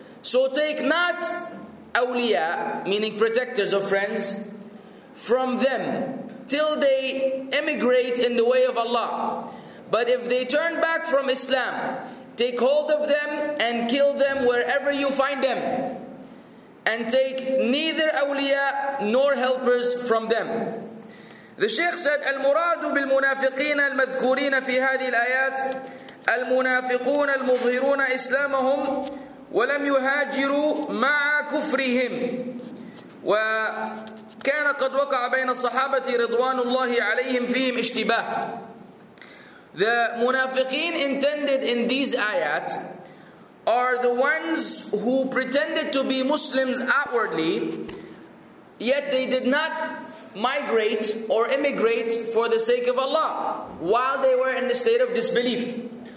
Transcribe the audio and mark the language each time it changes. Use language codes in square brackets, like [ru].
[en] So take not awliya, meaning protectors of friends, from them till they emigrate in the way of Allah. But if they turn back from Islam, take hold of them and kill them wherever you find them, and take neither awliya nor helpers from them. The Sheikh said, [ar] المراد بالمنافقين المذكورين في هذه الآيات المنافقون المظهرون إسلامهم ولم يهاجروا مع كفرهم وكان قد وقع بين الصحابة رضوان الله عليهم فيهم اشتباه. [en] The munafiqeen intended in these ayat are the ones who pretended to be Muslims outwardly, yet they did not migrate or immigrate for the sake of Allah while they were in the state of disbelief.